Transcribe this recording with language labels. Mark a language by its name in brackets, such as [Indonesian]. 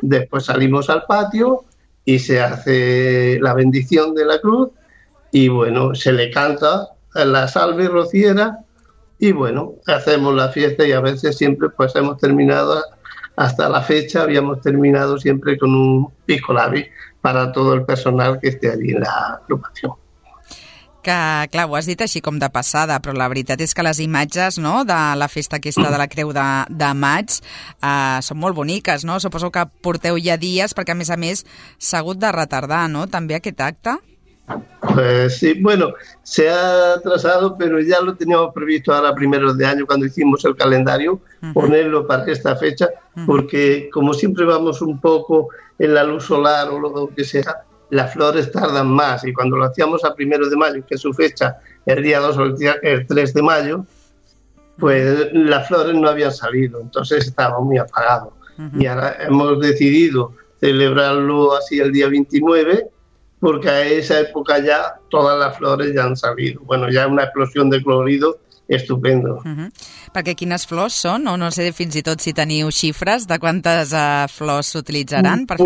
[Spanish] Después salimos al patio y se hace la bendición de la cruz y, bueno, se le canta la salve rociera. Y bueno, hacemos la fiesta y a veces siempre pues hemos terminado hasta la fecha habíamos terminado siempre con un pisco labi para todo el personal que esté allí en la agrupación. [Catalan] Que, clar, ho has dit així com de passada, però la veritat és que les imatges, no, de la festa aquesta de la Creu de Maig són molt boniques, no? Suposo que porteu ja dies, perquè a més s'ha hagut de retardar, no, també aquest acte? [Spanish] Sí, bueno, se ha atrasado, pero ya lo teníamos previsto ahora primeros de año cuando hicimos el calendario, ponerlo para esta fecha, porque como siempre vamos un poco en la luz solar o lo que sea, las flores tardan más, y cuando lo hacíamos a primeros de mayo, que es su fecha, el día 2 o el 3 de mayo, pues las flores no habían salido, entonces estaba muy apagado. Y ahora hemos decidido celebrarlo así el día 29, porque a esa época ya todas las flores ya han salido. Bueno, ya una explosión de colorido estupendo. [Catalan] Perquè quines flors són? O no sé fins i tot si teniu xifres de quantes flors s'utilitzaran per fer